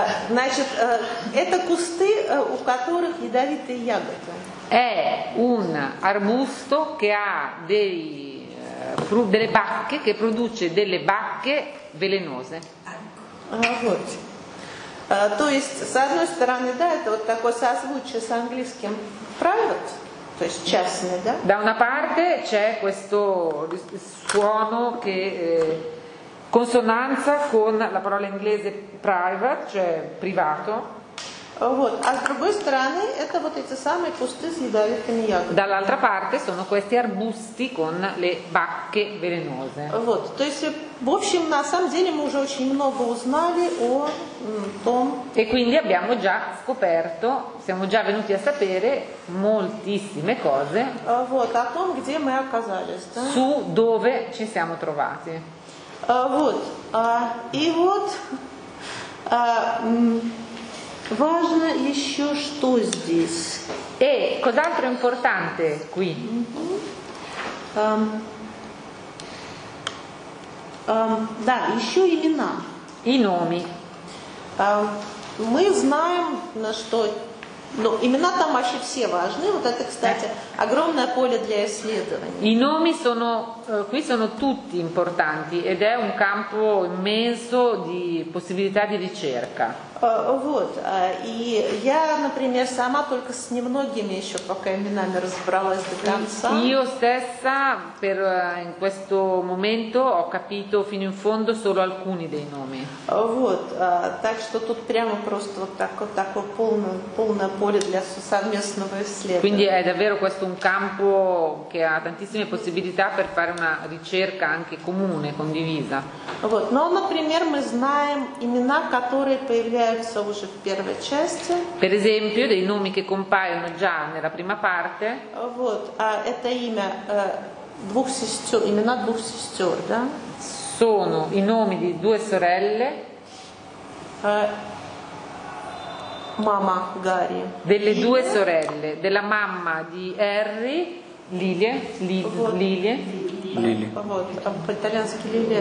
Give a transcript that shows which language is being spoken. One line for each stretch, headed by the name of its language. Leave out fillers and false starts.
Russian: Значит, это кусты, у которых ядовитые ягоды.
Italian: È un arbusto che ha delle bacche, che produce delle bacche velenose.
Russian: Вот. То есть, с одной стороны, да, это вот такое созвучие с английским private, то есть частное, да?
Italian: Da una parte c'è questo suono che consonanza con la parola inglese private, cioè privato.
Russian: Вот. А с другой стороны, это вот эти самые кусты с ядовитыми ягодами.
Italian: Dall'altra parte sono questi arbusti con le bacche velenose.
Russian: Вот. То есть, в общем, на самом деле мы уже очень много узнали о том.
Italian: E quindi abbiamo già scoperto, siamo già venuti a sapere moltissime cose.
Russian: Вот, о том, где мы оказались, да?
Italian: Su dove ci siamo trovati.
Russian: Вот. И вот важно еще что здесь.
Italian: E cos'altro importante qui?
Russian: Да, еще имена.
Italian: I nomi.
Russian: Мы знаем, что, ну, имена там вообще все важны. Вот это, кстати, огромное поле для исследования.
Italian: I nomi sono qui sono tutti importanti ed è un campo immenso di possibilità di ricerca. Io stessa per in questo momento ho capito fino in fondo solo alcuni dei nomi.
Russian: Так что тут прямо просто вот так вот такое полное полное поле для совместного исследования.
Italian: Quindi è davvero questo un campo che ha tantissime possibilità per fare una ricerca anche comune, condivisa.
Russian: Вот, но, например, мы знаем имена, которые появляются уже в первой части.
Italian: Per esempio, dei nomi che compaiono già nella prima parte.
Russian: Вот, а это имя двух сестер, имена двух сестер, да?
Italian: Sono i nomi di due sorelle. Mamma Gary. Delle Lilia. Due sorelle, della mamma di Harry, Lilie, Lilie. Lilie.
Russian: По итальянски Лилия.